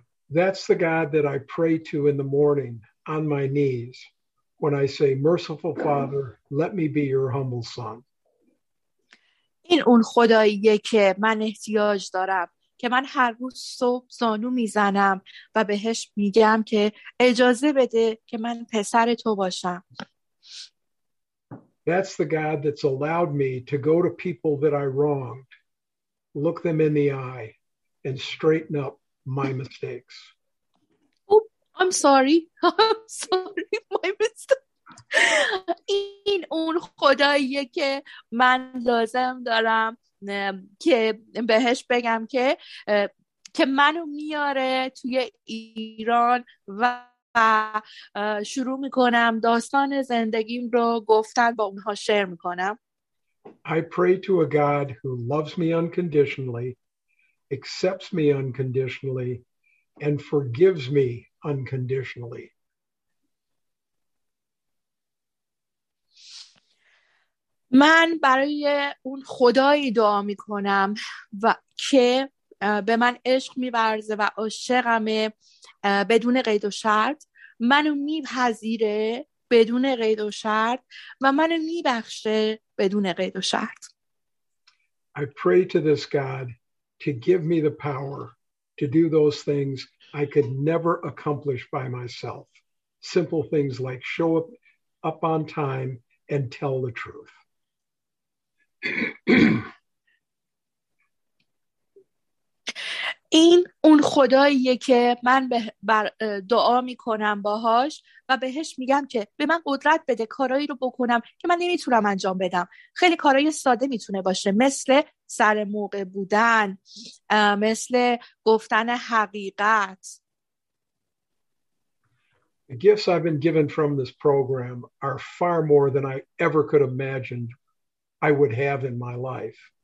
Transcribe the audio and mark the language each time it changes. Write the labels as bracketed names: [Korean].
[English] That's the God that I pray to in the morning on my knees when I say, Merciful Father, let me be your humble son. [Persian] این اون خداییه که من احتیاج دارم که من هر روز صبح زانو میزنم و بهش میگم که اجازه بده که من پسر تو باشم. [English] That's the God that's allowed me to go to people that I wronged, look them in the eye, and straighten up my mistakes. Oh, I'm sorry. My mistake. [Persian] این اون خداییه که من لازم دارم که بهش بگم که منو میاره توی ایران و شروع میکنم داستان زندگیم رو گفتن با اونها شیر میکنم. [English] I pray to a God who loves me unconditionally, accepts me unconditionally, and forgives me unconditionally. Uh, [Persian] من برای اون خدایی دعا میکنم و که به من عشق میبرزه و عاشقمه بدون قید و شرط، منو میپذیره بدون قید و شرط و منو میبخشه بدون قید و شرط. [English] I pray to this God to give me the power to do those things I could never accomplish by myself. Simple things like show up on time and tell the truth. [Persian] این اون خداییه که من به بر دعا میکنم باهاش و بهش میگم که به من قدرت بده کارایی رو بکنم که من نمیتونم انجام بدم. خیلی کارهای ساده میتونه باشه، مثل سر موقع بودن، مثل گفتن حقیقت. [English] The gifts I've been given from this program are far more than I ever could imagine I would have in my life.